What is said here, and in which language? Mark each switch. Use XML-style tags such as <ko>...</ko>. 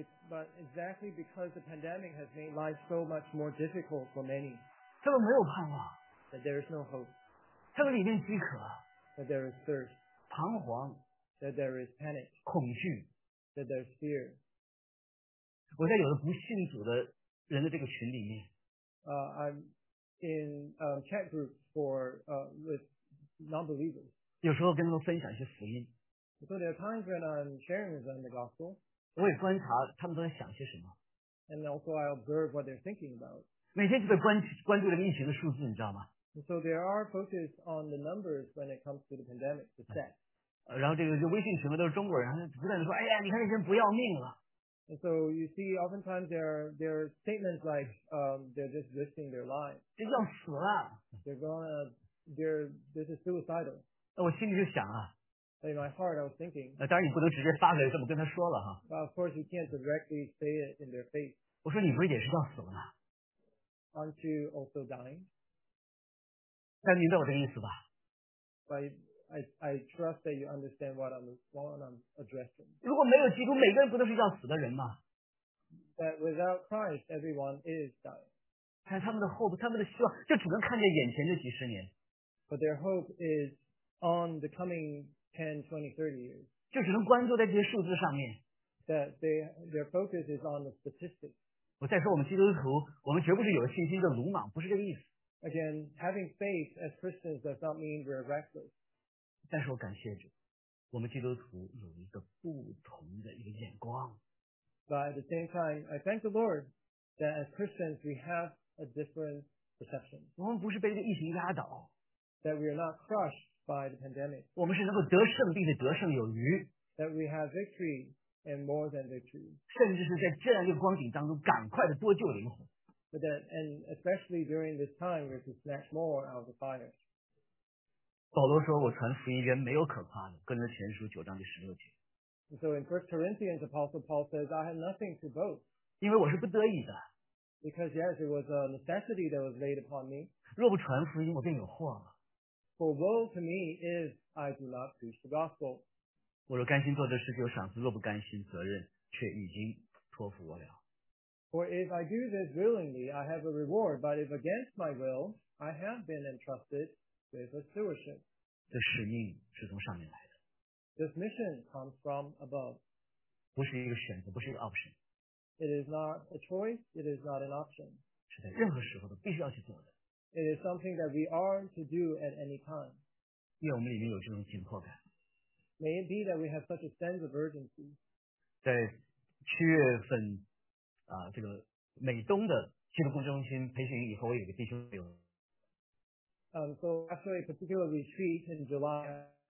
<en>But exactly because the pandemic has made life so much more difficult for many.</en> <zh>他们没有盼望</zh> <en>，that there is no hope。</en> <zh>他们里面饥渴</zh> <en>，that there is thirst。</en> <zh>彷徨</zh> <en>，that there is panic。</en> <zh>恐惧</zh> <en>，that there is fear。</en> <zh>我在有的不信主的人的这个群里面</zh> <en>，I'm in chat groups for with non-believers。</en> <zh>有时候跟他们分享一些福音</zh> <en>，so there are times when I'm sharing with them the gospel。</en> <zh>我也观察他们都在想些什么</zh> <en>，and also I observe what they're thinking about。</en> <zh>每天就在关注这个疫情的数字，你知道吗</zh> <en>？So there are focus on the numbers when it comes to the pandemic, the stats.</en> <zh>然后这个微信群里都是中国人，然后不断的说：“哎呀，你看那些人不要命了。</zh> <en>”And so you see, oftentimes there are statements like, they're just risking their lives.</en> <zh>这要死了。</zh> <en>They're gonna, this is suicidal.</en> <zh>我心里就想啊</zh> <en>In my heart, I was thinking.</en> <zh>当然你不能直接发给这么跟他说了哈。</zh> <en>But of course, you can't directly say it in their face.</en> <zh>我说你不是也是要死吗？</zh> <en>Aren't you also dying?</en> <zh>但您知道我的意思吧？</zh> <en>But I trust that you understand what I'm addressing.</en> <zh>如果没有基督，每个人不都是要死的人吗？</zh> <en>That without Christ, everyone is dying.</en> <zh>看他们的 hope, 他们的希望，就只能看见眼前这几十年。</zh> <en>But their hope is on the coming 10, 20, 30 years.</en> <zh>就只能关注在这些数字上面。</zh> <en>That their focus is on the statistics.</en> <zh>我再说我们基督徒，我们绝不是有信心的鲁莽，不是这个意思。</zh> <en>Again, having faith as Christians does not mean we're reckless.</en> <zh>但是我感谢主，我们基督徒有一个不同的一个眼光。</zh> <en>But at the same time, I thank the Lord that as Christians we have a different perception.</en> <zh>我们不是被这个疫情压倒。</zh> <en>That we are not crushed by the pandemic.</en> <zh>我们是能够得胜并且得胜有余。</zh> <en>That we have victory and more than victory.</en> <zh>甚至是在这样一个光景当中赶快的多救灵魂。</zh> <en>But that, and especially during this time, we have to snatch more out of the fire.</en> <zh>保罗说我传福音人没有可怕的，跟着前书九章第十六节。</zh> <en>So in 1 Corinthians, Apostle Paul says, I have nothing to boast.</en> <zh>因为我是不得已的。</zh> <en>Because yes, it was a necessity that was laid upon me.</en> <zh>若不传福音我便有祸了。</zh> <en>For woe to me is I do not preach the gospel.</en> <zh>我若甘心做这事就有赏赐，若不甘心责任却已经托付我了。</zh> <en>For if I do this willingly, I have a reward, but if against my will, I have been entrusted with a stewardship.</en> <zh>这使命是从上面来的。</zh> <en>This mission comes from above.</en> <zh>不是一个选择，不是一个 option.</zh> <en>It is not a choice. It is not an option.</en> <zh>是在任何时候都必须要去做的。</zh> <en>It is something that we are to do at any time.</en> <zh>愿我们里面有这种紧迫感。</zh> <en>May it be that we have such a sense of urgency.</en> <zh>在七月份，这个美东的基督工作中心培训以后，我有个弟兄有。</zh> <en>So after a particular retreat in July.</en>